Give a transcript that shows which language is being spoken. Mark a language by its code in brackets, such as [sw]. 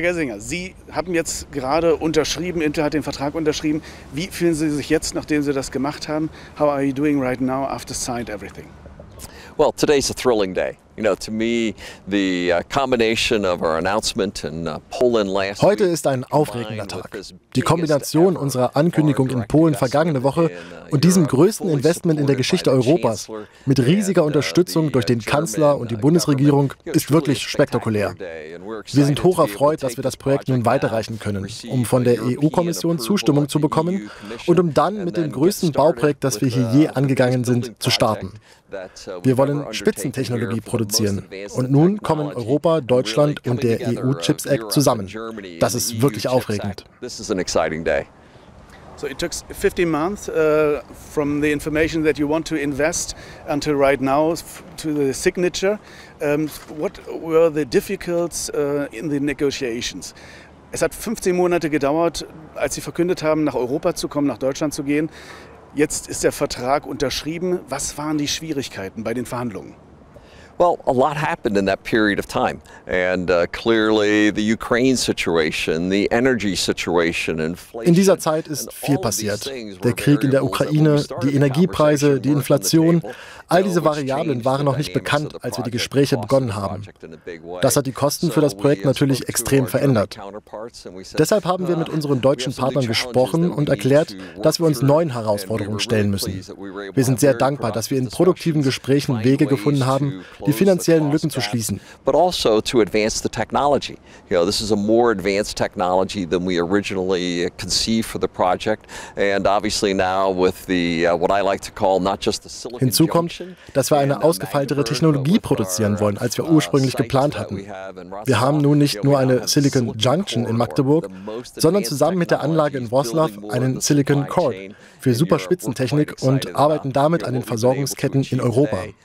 [de] Gelsinger, Sie haben jetzt gerade unterschrieben, Inter hat den Vertrag unterschrieben. Wie fühlen Sie sich jetzt, nachdem Sie das gemacht haben? [en] How are you doing right now after signed everything? Well, today's a thrilling day. You know, to me, the combination of our announcement in Poland last week. [de] Heute ist ein aufregender Tag. Die Kombination unserer Ankündigung in Polen vergangene Woche und diesem größten Investment in der Geschichte Europas mit riesiger Unterstützung durch den Kanzler und die Bundesregierung ist wirklich spektakulär. Wir sind hoch erfreut, dass wir das Projekt nun weiterreichen können, um von der EU-Kommission Zustimmung zu bekommen und um dann mit dem größten Bauprojekt, das wir hier je angegangen sind, zu starten. Wir wollen Spitzentechnologie produzieren. Und nun kommen Europa, Deutschland und der EU-Chips Act zusammen. Das ist wirklich aufregend. [en] This is an exciting day. So it took 15 months from the information that you want to invest until right now to the signature. What were the difficulties in the negotiations? [de] Es hat 15 Monate gedauert, als Sie verkündet haben, nach Europa zu kommen, nach Deutschland zu gehen. Jetzt ist der Vertrag unterschrieben. Was waren die Schwierigkeiten bei den Verhandlungen? [en] Well, a lot happened in that period of time, and clearly the Ukraine situation, the energy situation, inflation. [de] In dieser Zeit ist viel passiert. Der Krieg in der Ukraine, die Energiepreise, die Inflation. All diese Variablen waren noch nicht bekannt, als wir die Gespräche begonnen haben. Das hat die Kosten für das Projekt natürlich extrem verändert. Deshalb haben wir mit unseren deutschen Partnern gesprochen und erklärt, dass wir uns neuen Herausforderungen stellen müssen. Wir sind sehr dankbar, dass wir in produktiven Gesprächen Wege gefunden haben, die finanziellen Lücken zu schließen. [en] But also to advance the technology. You know, this is a more advanced technology than we originally conceived for the project. And obviously now with the what I like to call not just the silicon. [de] Hinzu kommt, dass wir eine ausgefeiltere Technologie produzieren wollen, als wir ursprünglich geplant hatten. Wir haben nun nicht nur eine Silicon Junction in Magdeburg, sondern zusammen mit der Anlage in Wroclaw einen Silicon Cord für Superspitzentechnik und arbeiten damit an den Versorgungsketten in Europa.